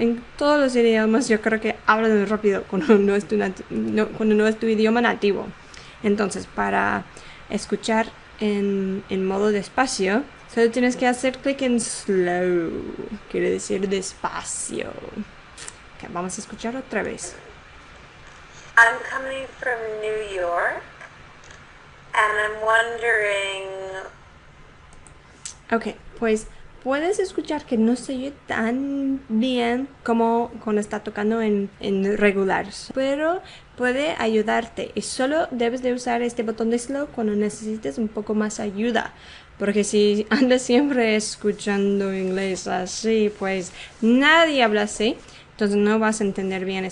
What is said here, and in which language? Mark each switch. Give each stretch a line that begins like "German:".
Spanish: En todos los idiomas yo creo que hablan rápido cuando no es cuando no es tu idioma nativo. Entonces, para escuchar en modo despacio, solo tienes que hacer clic en slow, quiere decir despacio. Okay, vamos a escuchar otra vez.
English: I'm coming from New York and I'm wondering.
Spanish: Okay, pues puedes escuchar que no se oye tan bien como cuando está tocando en regular, pero puede ayudarte y solo debes de usar este botón de slow cuando necesites un poco más ayuda, porque si andas siempre escuchando inglés así, pues nadie habla así, entonces no vas a entender bien.